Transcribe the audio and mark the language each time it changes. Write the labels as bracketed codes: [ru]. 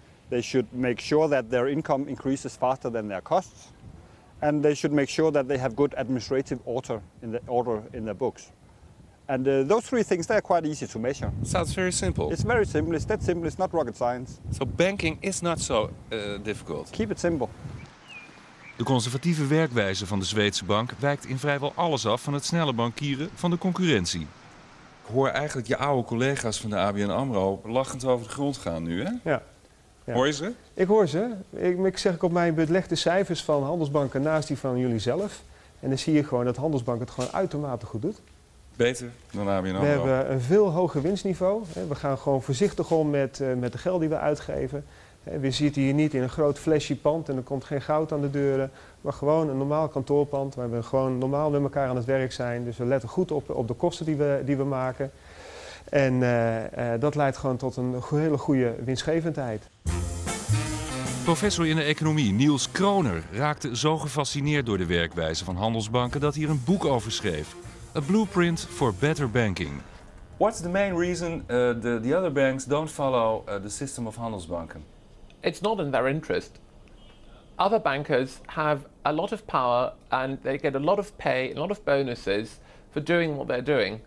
[en] They should make sure that their income increases faster than their costs. And they should make sure that they have good administrative order in their books. And those three things, they're quite easy to measure. Sounds very simple. It's very simple. It's that simple. It's not rocket science. So banking is not so difficult. Keep it simple. [nl] De conservatieve werkwijze van de Zweedse bank wijkt in vrijwel alles af van het snelle bankieren van de concurrentie. Ik hoor eigenlijk je oude collega's van de ABN AMRO lachend over de grond gaan nu, hè? Ja. Ja. Hoor je ze? Ik hoor ze. Ik zeg op mijn belegde cijfers van handelsbanken naast die van jullie zelf. En dan zie je gewoon dat handelsbanken het gewoon uitermate goed doet. Beter dan ABN AMRO. We hebben een veel hoger winstniveau. We gaan gewoon voorzichtig om met de geld die we uitgeven. We zitten hier niet in een groot flashy pand en er komt geen goud aan de deuren. Maar gewoon een normaal kantoorpand waar we gewoon normaal met elkaar aan het werk zijn. Dus we letten goed op de kosten die we maken. En dat leidt gewoon tot een hele goede winstgevendheid. Professor in de economie Niels Kroner raakte zo gefascineerd door de werkwijze van handelsbanken dat hij er een boek over schreef. [en] A Blueprint for Better Banking. What's the main reason the other banks don't follow the system of handelsbanken? It's not in their interest. Other bankers have a lot of power and they get a lot of pay, a lot of bonuses for doing what they're doing.